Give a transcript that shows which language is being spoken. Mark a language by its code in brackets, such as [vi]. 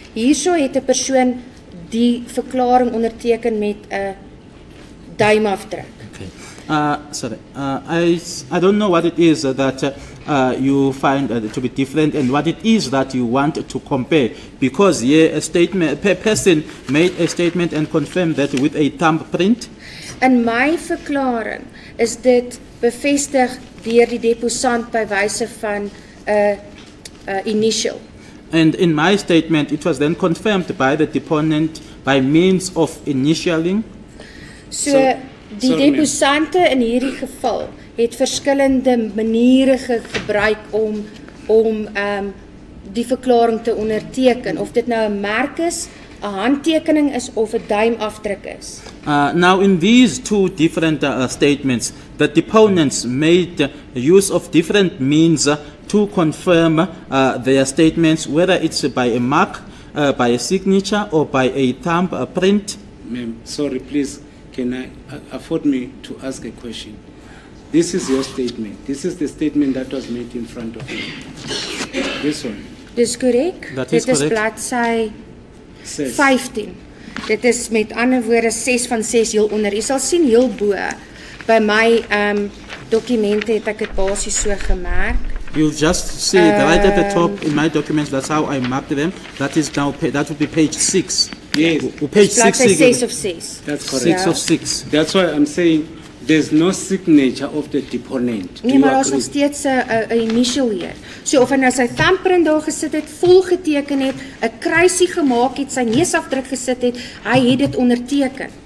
[af] Hierso het 'n persoon die verklaring onderteken met 'n duim afdruk. [en] Okay. I don't know what it is that you find to be different and what it is that you want to compare, because a statement, a person made a statement and confirmed that with a thumbprint. [af] In my verklaring is dit bevestig deur die deposant by wyse van 'n initial. [en] And in my statement it was then confirmed by the deponent by means of initialing. [af] So die deposante in hierdie geval het verskillende maniere gebruik om die verklaring te onderteken, of dit nou 'n merk is, 'n handtekening is of 'n duim afdruk is. [en] Now in these two different statements, the deponents made use of different means to confirm their statements, whether it's by a mark, by a signature, or by a thumbprint. Ma'am, sorry, please, can I afford me to ask a question? This is your statement. This is the statement that was made in front of you. This one. [af] Dis korrek. [en] That is correct. [af] Dit is bladsy 15. Dit is met ander woorde 6 van 6 heel onder. Jy sal sien heel bo. By my dokumente het ek dit basies so gemerk. [en] You just see right at the top in my documents, that's how I marked them. That is now that would be page 6. Yes. Page 6 of 6. That's correct. 6 of 6. That's why I'm saying there's no signature of the deponent. [af] Nee, maar ons het steeds 'n initial hier. So of hy nou sy thumbprint daar gesit het, vol geteken het, 'n kruisie gemaak het, sy neusafdruk gesit het, hy het dit onderteken.